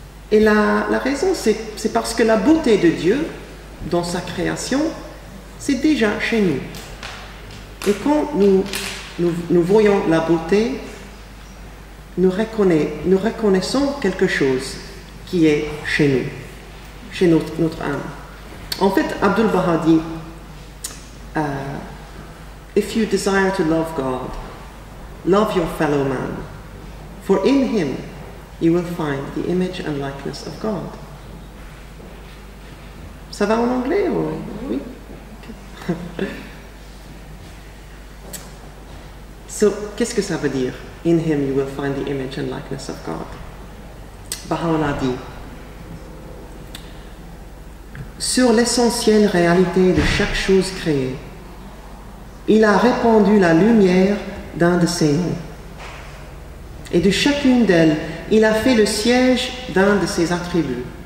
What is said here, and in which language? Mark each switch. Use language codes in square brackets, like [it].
[fr] Et la raison, c'est parce que la beauté de Dieu, dans sa création, c'est déjà chez nous. Et quand nous voyons la beauté, nous reconnaissons quelque chose qui est chez nous, chez notre âme. En fait, Abdul Baha dit, [en] if you desire to love God, love your fellow man, for in him you will find the image and likeness of God. [fr] Ça va en anglais ou... Oui? So, qu'est-ce que ça veut dire? [en] In him you will find the image and likeness of God. [fr] Baha'u'llah dit, sur l'essentielle réalité de chaque chose créée, il a répandu la lumière d'un de ses noms. Et de chacune d'elles, il a fait le siège d'un de ses attributs.